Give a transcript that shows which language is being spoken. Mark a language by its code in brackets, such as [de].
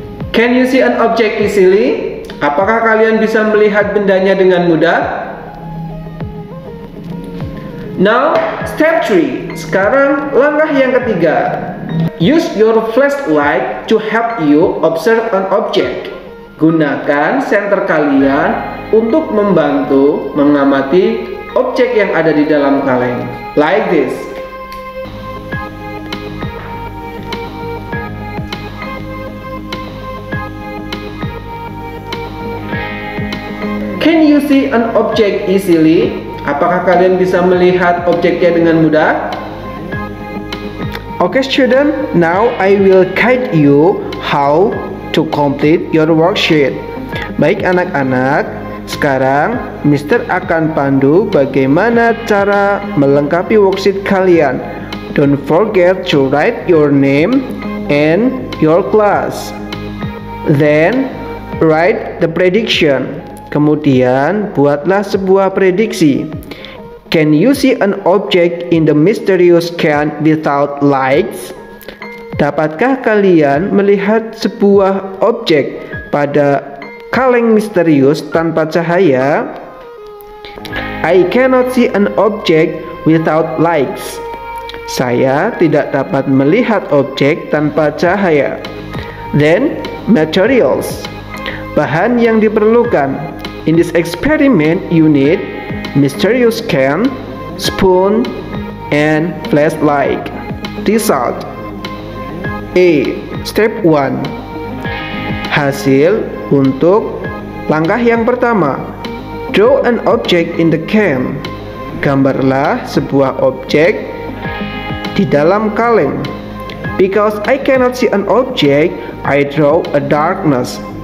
[en] Can you see an object easily? [id] Apakah kalian bisa melihat bendanya dengan mudah? [en] Now, step 3. [id] Sekarang langkah yang ketiga. [en] Use your flashlight to help you observe an object. [id] Gunakan senter kalian untuk membantu mengamati objek yang ada di dalam kaleng. [en] Like this. Can you see an object easily? [id] Apakah kalian bisa melihat objeknya dengan mudah? [en] Okay student, now I will guide you how to complete your worksheet. [id] Baik anak-anak, sekarang Mister akan pandu bagaimana cara melengkapi worksheet kalian. [en] Don't forget to write your name and your class. Then, write the prediction. [id] Kemudian, buatlah sebuah prediksi. [en] Can you see an object in the mysterious can without lights? [id] Dapatkah kalian melihat sebuah objek pada kaleng misterius tanpa cahaya? [en] I cannot see an object without lights. [id] Saya tidak dapat melihat objek tanpa cahaya. [en] Then, materials. [id] Bahan yang diperlukan. [en] In this experiment, you need mysterious can, spoon, and flashlight. Result. A. Step 1. [id] Hasil untuk langkah yang pertama. [en] Draw an object in the can. [id] Gambarlah sebuah objek di dalam kaleng. [en] Because I cannot see an object, I draw a darkness.